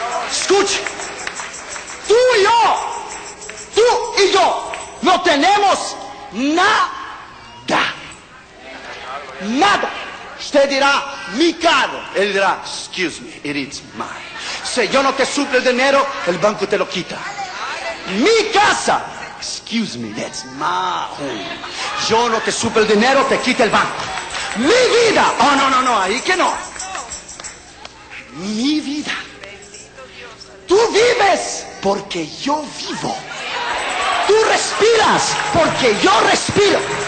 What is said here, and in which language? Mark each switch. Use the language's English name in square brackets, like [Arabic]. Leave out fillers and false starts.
[Spanish] Escuche. Tú y yo. Tú y yo. No tenemos nada. Nada. Usted dirá, mi carro. Él dirá, [English] excuse me, it is mine. [Spanish] Si yo no te suple el dinero, el banco te lo quita. Mi casa, [English] excuse me, that's my home. [Spanish] Yo no te suple el dinero, te quita el banco. Mi vida, oh no, no, no, ahí que no. Mi vida. Tú vives porque yo vivo. Tú respiras porque yo respiro.